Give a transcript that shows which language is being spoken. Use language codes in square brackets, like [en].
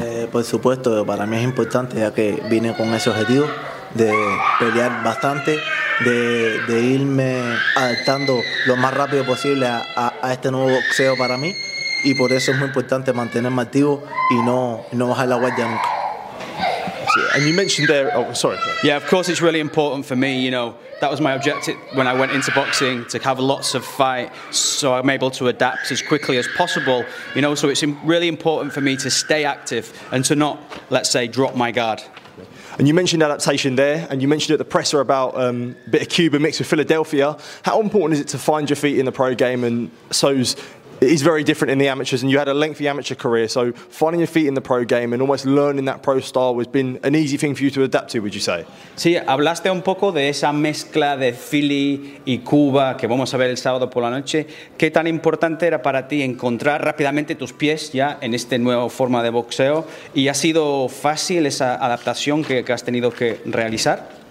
[es] Por supuesto, para mí es importante, ya que vine con ese objetivo de pelear bastante, de irme adaptando lo más rápido posible a este nuevo boxeo para mí, y por eso es muy importante mantenerme activo y no bajar la guardia nunca. [en] And you mentioned there, oh, sorry. Yeah, of course it's really important for me, you know, that was my objective when I went into boxing, to have lots of fight so I'm able to adapt as quickly as possible, you know, so it's really important for me to stay active and to not, let's say, drop my guard. And you mentioned adaptation there, and you mentioned at the presser about a bit of Cuba mixed with Philadelphia. How important is it to find your feet in the pro game, and so's... It's very different in the amateurs, and you had a lengthy amateur career, so finding your feet in the pro game and almost learning that pro style has been an easy thing for you to adapt to, would you say? [es] Sí, hablaste un poco de esa mezcla de Philly y Cuba que vamos a ver el sábado por la noche. ¿Qué tan importante era para ti encontrar rápidamente tus pies ya en esta nueva forma de boxeo? ¿Y ha sido fácil esa adaptación que has tenido que realizar?